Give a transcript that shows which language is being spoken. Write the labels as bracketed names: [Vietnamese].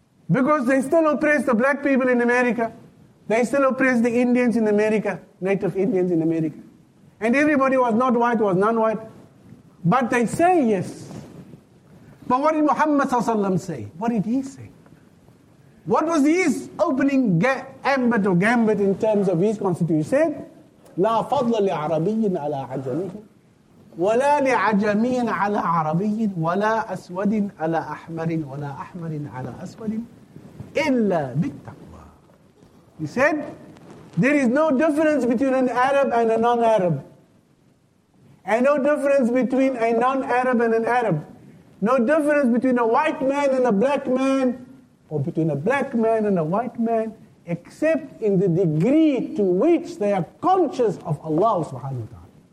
[English] Because they still oppress the black people in America. They still oppress the Indians in America, native Indians in America. And everybody was not white, was non-white. But they say yes. But what did Muhammad SAW say? What did he say? What was his opening gambit in terms of his constitution? He said, [Arabic] لا فضل لعربي على عجمي ولا لعجمي على عربي ولا أسود على أحمر ولا أحمر على أسود إلا بالتقوى. [English] He said, there is no difference between an Arab and a non-Arab. And no difference between a non-Arab and an Arab. No difference between a white man and a black man, or between a black man and a white man, except in the degree to which they are conscious of Allah subhanahu wa ta'ala.